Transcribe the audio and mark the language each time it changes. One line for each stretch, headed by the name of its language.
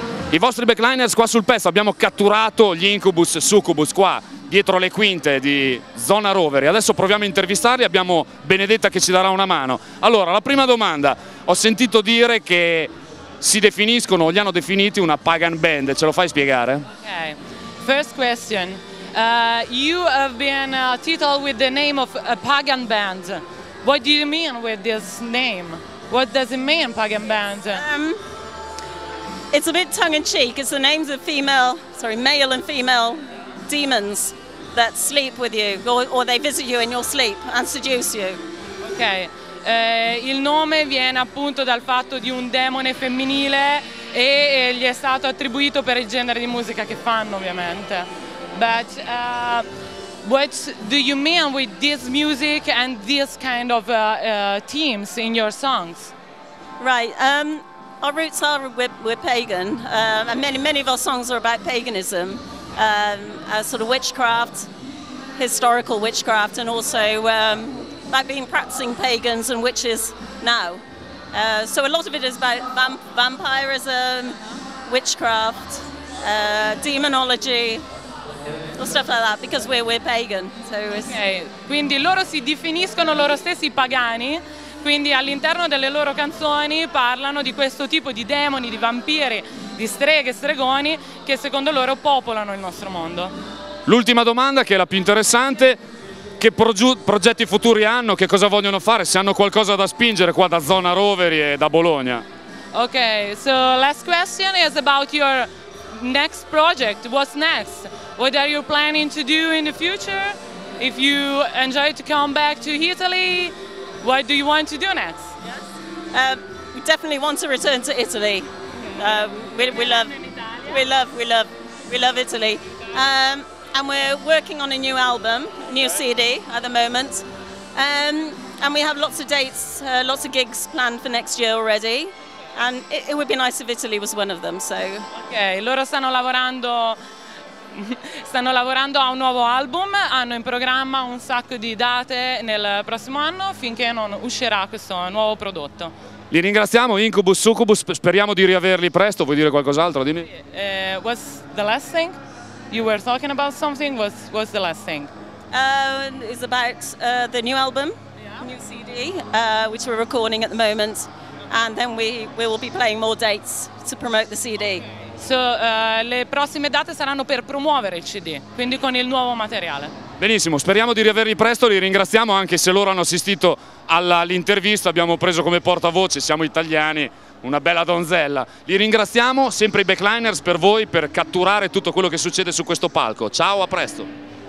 Italian: I vostri Backliners qua sul pezzo, abbiamo catturato gli Incubus e Succubus qua dietro le quinte di Zona Rovere, adesso proviamo a intervistarli, abbiamo Benedetta che ci darà una mano. Allora, la prima domanda, ho sentito dire che si definiscono, o li hanno definiti, una pagan band, ce lo fai spiegare?
English: Ok, first question, you have been titled with the name of a pagan band, what do you mean with this name? What does it mean, pagan band? It's a bit tongue-in-cheek, it's the names of male and female demons that sleep with you, or they visit you in your sleep and seduce you.
Italian: Ok, il nome viene appunto dal fatto di un demone femminile e gli è stato attribuito per il genere di musica che fanno, ovviamente.
English: But what do you mean with this music and this kind of themes in your songs? Right. Our roots are, we're pagan, and many, many of our songs are about paganism, sort of witchcraft, historical witchcraft, and also about being practicing pagans and witches now. So a lot of it is about vampirism, witchcraft, demonology, or stuff like that, because we're pagan. So
Italian: okay, quindi loro si definiscono loro stessi pagani. Quindi all'interno delle loro canzoni parlano di questo tipo di demoni, di vampiri, di streghe, stregoni che secondo loro popolano il nostro mondo. L'ultima domanda, che è la più interessante, che progetti futuri hanno, che cosa vogliono fare, se hanno qualcosa da spingere qua da Zona Roveri e da Bologna.
English: Ok, so last question is about your next project. What's next? What are you planning to do in the future? If you enjoy to come back to Italy? What do you want to do next? We definitely want to return to Italy. We love Italy. And we're working on a new album, new CD at the moment. And we have lots of dates, lots of gigs planned for next year already. And it would be nice if Italy was one of them, so.
Italian: Okay, loro stanno lavorando a un nuovo album, hanno in programma un sacco di date nel prossimo anno finché non uscirà questo nuovo prodotto. Li ringraziamo, Incubus, Succubus, speriamo di riaverli presto. Vuoi dire qualcos'altro? Dimmi.
English: What's the last thing? You were talking about something. What's the last thing? It's about the new album, new CD, which we're recording at the moment. And then we will be playing more dates to promote the CD. Okay.
Italian: So, le prossime date saranno per promuovere il CD, quindi con il nuovo materiale. Benissimo, speriamo di riaverli presto, li ringraziamo anche se loro hanno assistito all'intervista, abbiamo preso come portavoce, siamo italiani, una bella donzella. Li ringraziamo, sempre i Backliners per voi, per catturare tutto quello che succede su questo palco. Ciao, a presto.